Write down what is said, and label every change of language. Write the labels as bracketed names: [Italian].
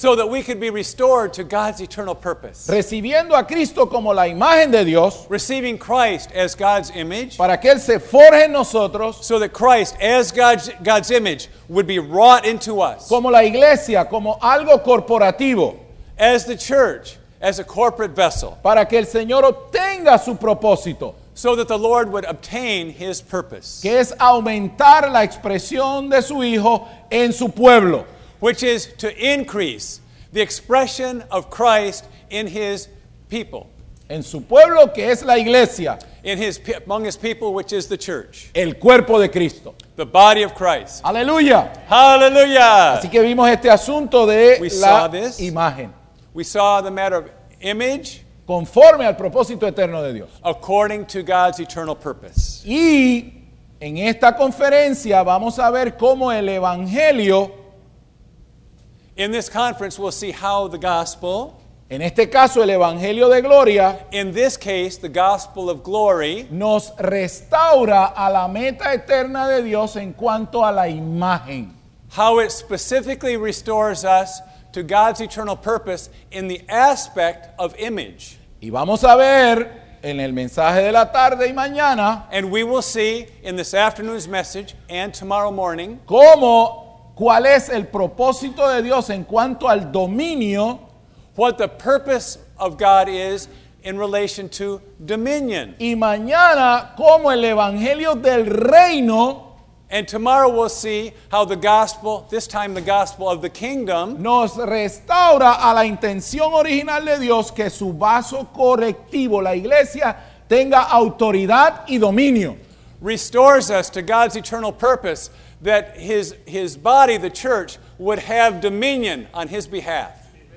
[English] So that we could be restored to God's eternal purpose. [Spanish] Recibiendo a Cristo como la imagen de Dios. [English] Receiving Christ as God's image. [Spanish] Para que Él se forje en nosotros. [English] So that Christ as God's image would be wrought into us. [Spanish] Como la iglesia, como algo corporativo. [English] As the church, as a corporate vessel. [Spanish] Para que el Señor obtenga su propósito. [English] So that the Lord would obtain his purpose. [Spanish] Que es aumentar la expresión de su Hijo en su pueblo. [English] Which is to increase the expression of Christ in his people. [Spanish] En su pueblo, que es la iglesia. [English] In his, among his people, which is the church. [Spanish] El cuerpo de Cristo. [English] The body of Christ. [Spanish] Aleluya. [English] Hallelujah. [Spanish] Así que vimos este asunto de imagen. [English] We saw the matter of image. [Spanish] Conforme al propósito eterno de Dios. [English] According to God's eternal purpose. [Spanish] Y en esta conferencia vamos a ver cómo el evangelio. [English] In this conference we'll see how the gospel. [Spanish] En este caso el evangelio de gloria. [English] In this case the gospel of glory. [Spanish] Nos restaura a la meta eterna de Dios en cuanto a la imagen. [English] How it specifically restores us to God's eternal purpose in the aspect of image. [Spanish] Y vamos a ver en el mensaje de la tarde y mañana. [English] And we will see in this afternoon's message and tomorrow morning. [Spanish] Cómo, cuál es el propósito de Dios en cuanto al dominio. [English] What the purpose of God is in relation to dominion. [Spanish] Y mañana, cómo el evangelio del reino. [English] And tomorrow we'll see how the gospel, this time the gospel of the kingdom, [Spanish] nos restaura a la intención original de Dios que su vaso correctivo, la iglesia, tenga autoridad y dominio. [English] Restores us to God's eternal purpose that his body, the church, would have dominion on his behalf.